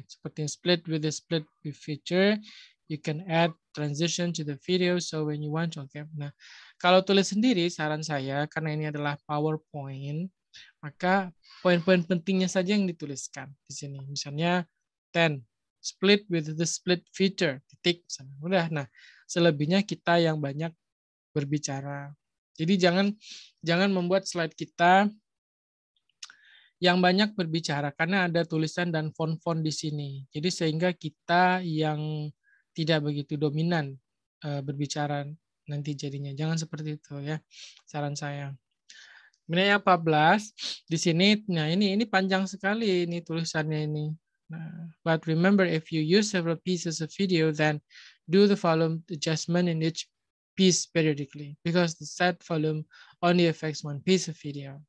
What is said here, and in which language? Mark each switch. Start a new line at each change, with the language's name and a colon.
English: Seperti split with the split with feature, you can add transition to the video so when you want to. Okay.
Indonesian: Nah, kalau tulis sendiri, saran saya karena ini adalah PowerPoint, maka poin-poin pentingnya saja yang dituliskan di sini. Misalnya 10 split with the split feature titik sama mudah. Nah, selebihnya kita yang banyak berbicara. Jadi jangan membuat slide kita yang banyak berbicara karena ada tulisan dan font-font di sini. Jadi sehingga kita yang tidak begitu dominan berbicara nanti jadinya. Jangan seperti itu ya. Saran saya. Ini 14 di sini. Nah, ini panjang sekali ini tulisannya ini.
English: Nah, but remember if you use several pieces of video then do the volume adjustment in each piece periodically because the set volume only affects one piece of video.